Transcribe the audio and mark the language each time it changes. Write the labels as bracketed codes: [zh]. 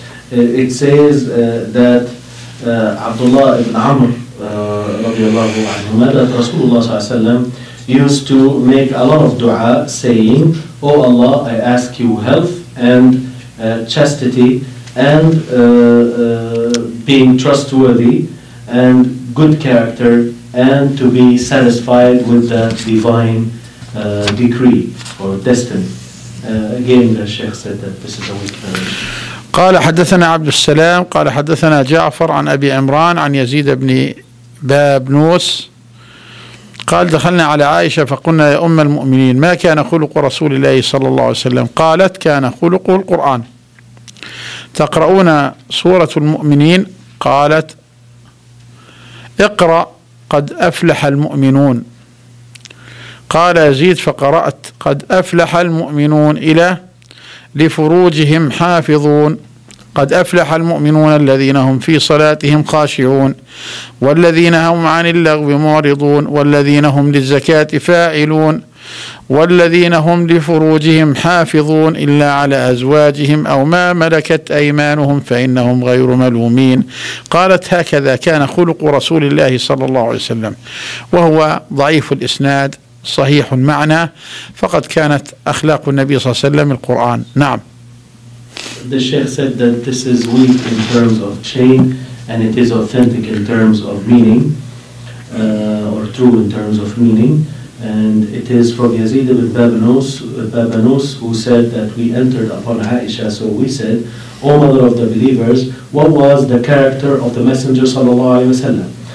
[en] It says that Abdullah ibn Amr radiyallahu anhuma, that Rasulullah sallallahu alayhi wa used to make a lot of dua saying, O Allah, I ask you health and chastity and being trustworthy and good character and to be satisfied with the divine decree or destiny. Again, the Sheikh said that this is a weak narration. [ar] قال حدثنا عبد السلام قال حدثنا جعفر عن أبي عمران عن يزيد بن بابنوس قال دخلنا على عائشة فقلنا يا أم المؤمنين ما كان خلق رسول الله صلى الله عليه وسلم؟ قالت كان خلقه القرآن. تقرؤون سورة المؤمنين؟ قالت اقرأ قد أفلح المؤمنون. قال يزيد فقرأت قد أفلح المؤمنون إلى لفروجهم حافظون. قد أفلح المؤمنون الذين هم في صلاتهم خاشعون والذين هم عن اللغو معرضون والذين هم للزكاة فاعلون والذين هم لفروجهم حافظون إلا على أزواجهم أو ما ملكت أيمانهم فإنهم غير ملومين. قالت هكذا كان خلق رسول الله صلى الله عليه وسلم. وهو ضعيف الإسناد صحيح المعنى فقد كانت أخلاق النبي صلى الله عليه وسلم القرآن. نعم. [en] The Sheikh said that this is weak in terms of chain and it is authentic in terms of meaning or true in terms of meaning. And it is from Yazid ibn Babanus who said that we entered upon Aisha, so we said, O mother of the believers, what was the character of the Messenger sallallahu alayhi wa sallam?